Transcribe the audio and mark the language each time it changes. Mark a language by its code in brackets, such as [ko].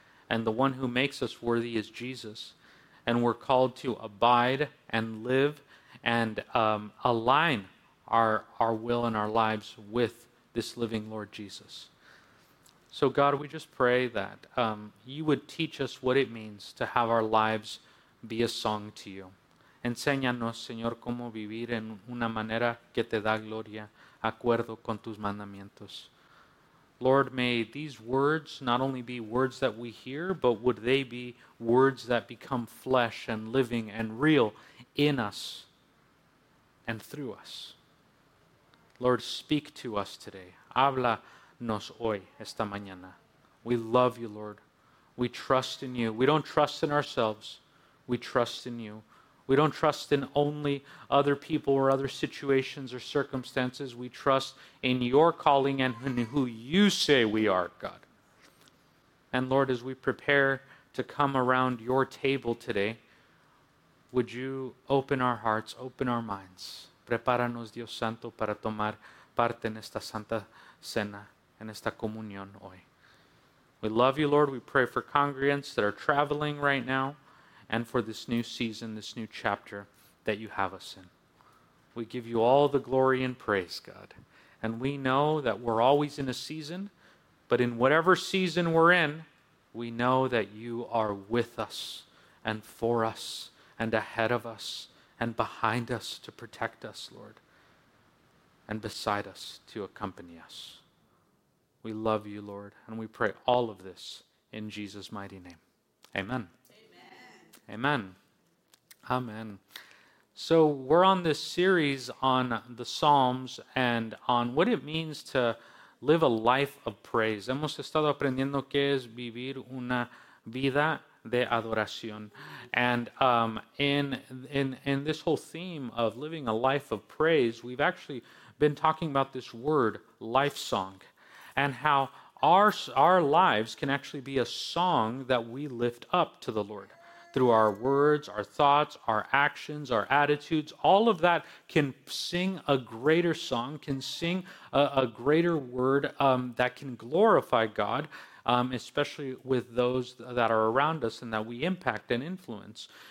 [en] And the one who makes us worthy is Jesus. And we're called to abide and live and align our will and our lives with this living Lord Jesus. So God, we just pray that you would teach us what it means to have our lives be a song to you. [es] Enséñanos, Señor, cómo vivir en una manera que te da gloria, acuerdo con tus mandamientos. [en] Lord, may these words not only be words that we hear, but would they be words that become flesh and living and real in us and through us. Lord, speak to us today. [es] Háblanos hoy, esta mañana. [en] We love you, Lord. We trust in you. We don't trust in ourselves. We trust in you. We don't trust in only other people or other situations or circumstances. We trust in your calling and in who you say we are, God. And Lord, as we prepare to come around your table today, would you open our hearts, open our minds. [es] Prepáranos, Dios Santo, para tomar parte en esta santa cena, en esta comunión hoy. [en] We love you, Lord. We pray for congregants that are traveling right now and for this new season, this new chapter that you have us in. We give you all the glory and praise, God. And we know that we're always in a season, but in whatever season we're in, we know that you are with us and for us and ahead of us and behind us to protect us, Lord, and beside us to accompany us. We love you, Lord, and we pray all of this in Jesus' mighty name. Amen. Amen. Amen. Amen. So we're on this series on the Psalms and on what it means to live a life of praise. [es] Hemos estado aprendiendo qué es vivir una vida de adoración. [en] And in this whole theme of living a life of praise, we've actually been talking about this word, life song, and how our lives can actually be a song that we lift up to the Lord. Through our words, our thoughts, our actions, our attitudes, all of that can sing a greater song, can sing a greater word that can glorify God, especially with those that are around us and that we impact and influence.